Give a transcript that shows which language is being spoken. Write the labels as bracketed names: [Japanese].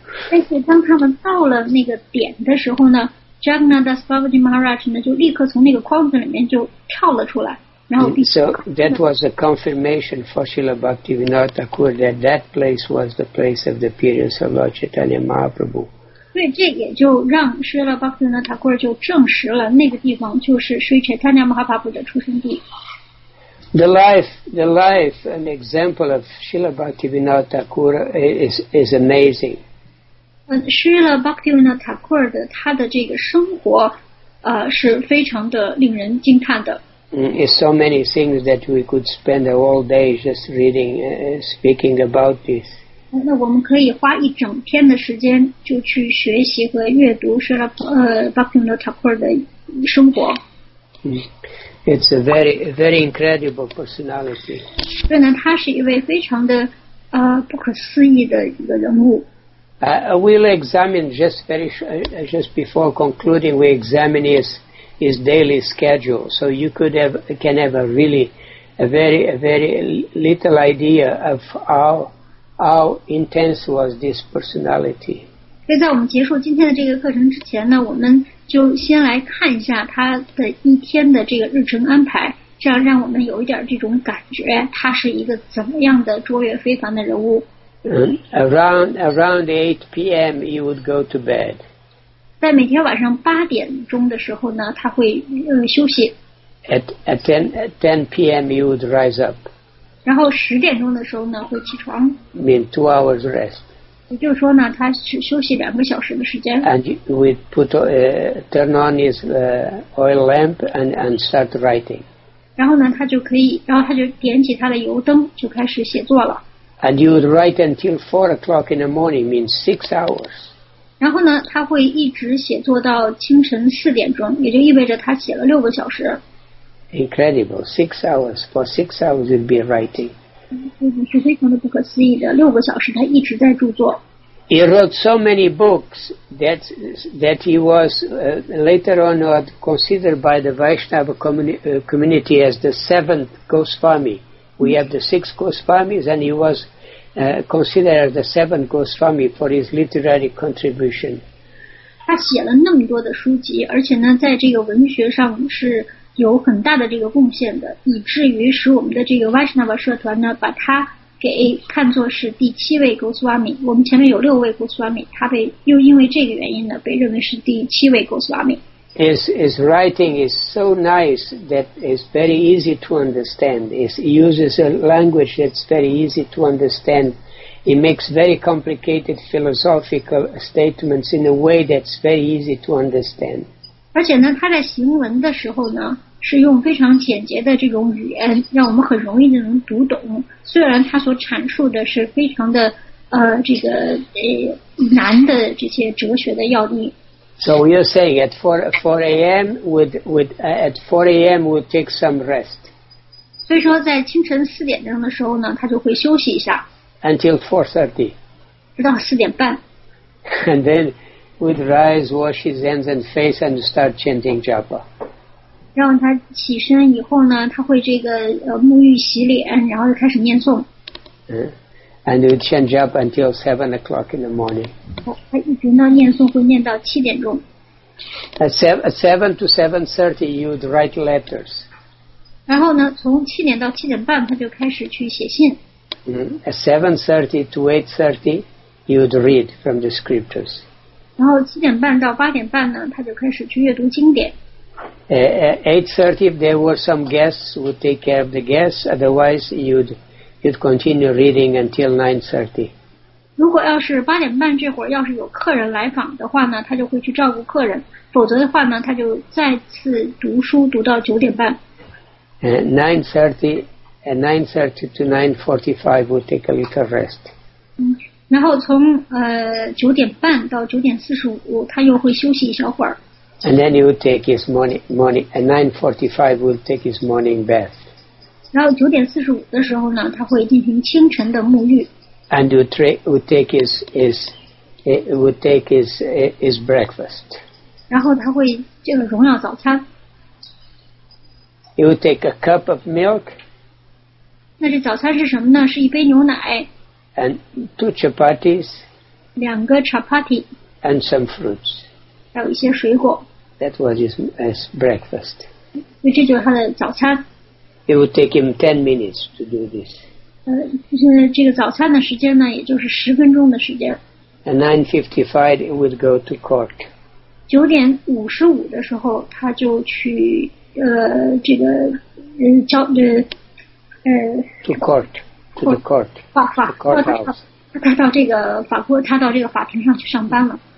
[Chinese] 但是当他们到了那个点的时候呢 ，Jagannath Das Babaji Maharaj 呢就立刻从那个筐子里面就跳了出来，然后。 [English] So that was a confirmation for Srila Bhaktivinoda Thakur that place was the place of the appearance of Lord Chaitanya Mahaprabhu. [Chinese] 所以这也就让施拉巴克纳塔库尔就证实了那个地方就是水彻坦尼亚马哈帕布的出生地。 [English] The life and example of Srila Bhaktivinoda Thakur is amazing. [Chinese] 施拉巴克纳塔库尔的他的这个生活是非常的令人惊叹的。 [English] It's so many things that we could spend the whole day just reading speaking about this. [Chinese] 那我们可以花一整天的时间就去学习和阅读是Bhaktivinoda Thakur的生活。 [English] It's a very, very incredible personality. [Chinese] 所以呢，他是一位非常的不可思议的一个人物。 [English] We'll examine just before concluding, we examine his daily schedule. So you can have a very little idea of how intense was this personality? [Chinese] 所以在我们结束今天的这个课程之前呢，我们就先来看一下他的一天的这个日程安排，这样让我们有一点这种感觉，他是一个怎么样的卓越非凡的人物。 [English] Around 8 p.m. he would go to bed. [Chinese] 在每天晚上八点钟的时候呢，他会休息。 [English] At 10 p.m. he would rise up. [Chinese] 然后十点钟的时候呢会起床 [English] mean 2 hours rest [Chinese] 也就是说呢他休息两个小时的时间 [English] and we put turn on his oil lamp and start writing [Chinese] 然后呢他就可以然后他就点起他的油灯就开始写作了 [English] and you would write until 4 o'clock in the morning means 6 hours [Chinese] 然后呢他会一直写作到清晨四点钟也就意味着他写了六个小时 [English] Incredible. For six hours he'd be writing. [Chinese] 是非常的不可思议的，六个小时他一直在著作。 [English] He wrote so many books that he was later on considered by the Vaishnava community as the seventh Goswami. We have the six Goswamis and he was considered as the seventh Goswami for his literary contribution. [Chinese] 他写了那么多的书籍，而且呢，在这个文学上是有很大的这个贡献的，以至于使我们的这个 Vaishnava 社团呢，把他给看作是第七位 Goswami。我们前面有六位 Goswami， 他被又因为这个原因呢，被认为是第七位 Goswami。 [English] His writing is so nice that it's very easy to understand. He uses a language that's very easy to understand. He makes very complicated philosophical statements in a way that's very easy to understand. [Chinese] 而且呢，他在行文的时候呢，是用非常简洁的这种语言，让我们很容易就能读懂。虽然他所阐述的是非常的难的这些哲学的要义。 [English] So you're saying at 4 a.m. at 4 a.m. would take some rest. [Chinese] 所以说在清晨四点钟的时候呢，他就会休息一下。 [English] Until 4:30. [Chinese] 直到四点半。 [English] And then would rise, wash his hands and face and start chanting japa. [Chinese] 让他起身以后呢，他会这个沐浴洗脸，然后就开始念诵。 [English] And you chant japa until 7 o'clock in the morning. At 7 to 7:30, you would write letters. [Chinese] 然后呢，从七点到七点半，他就开始去写信。 [English] At 7:30 to 8:30, you would read from the scriptures. [Chinese] 然后七点半到八点半呢，他就开始去阅读经典。 [English] At 8:30, if there were some guests, would take care of the guests. Otherwise, you'd continue reading until 9:30. [Chinese] 如果要是八点半这会儿要是有客人来访的话呢，他就会去照顾客人，否则的话呢，他就再次读书读到九点半。 [English] 9:30 to 9:45 will take a little rest. [Chinese] 然后从九点半到九点四十五他又会休息一小会儿。 [English] And then he will take his morning at 9:45 will take his morning bath. [Chinese] 然后九点四十五的时候呢，他会进行清晨的沐浴。 [English] And would take his breakfast. [Chinese] 然后他会这个荣耀早餐。 [English] He would take a cup of milk. [Chinese] 那这早餐是什么呢？是一杯牛奶。 [English] And two chapatis. [Chinese] 两个 chapati. [English] And some fruits. [Chinese] 还有一些水果。 [English] That was his breakfast. [Chinese] 所以这就是他的早餐。 [English] It would take him 10 minutes to do this. [Chinese] 这个早餐的时间呢，也就是十分钟的时间。 [English] At 9:55, it would go to court. [Chinese] 九点五十五的时候，他就去他到这个法庭上去上班了。